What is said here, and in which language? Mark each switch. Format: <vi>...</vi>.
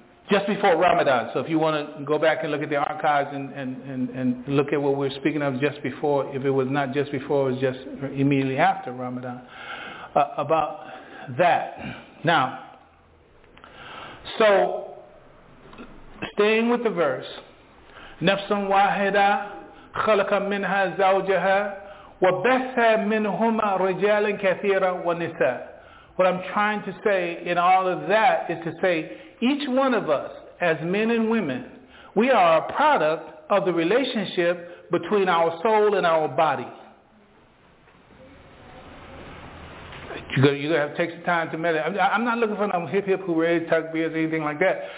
<en>Just before Ramadan. So if you want to go back and look at the archives and look at what we were speaking of just before, if it was not just before, it was just immediately after Ramadan, about that. Now, so staying with the verse,</en> <ar>نَفْسٌ وَاحِدًا خَلَقَ مِنْهَا زَوْجَهَا وَبَثَّ مِنْهُمَا رِجَالًا كَثِيرًا وَنِسَاءً.</ar> <en>What I'm trying to say in all of that is to say, each one of us, as men and women, we are a product of the relationship between our soul and our body. You're going to have to take some time to meditate. I'm not looking for no hip hooray, tuck beers, or anything like that.</en>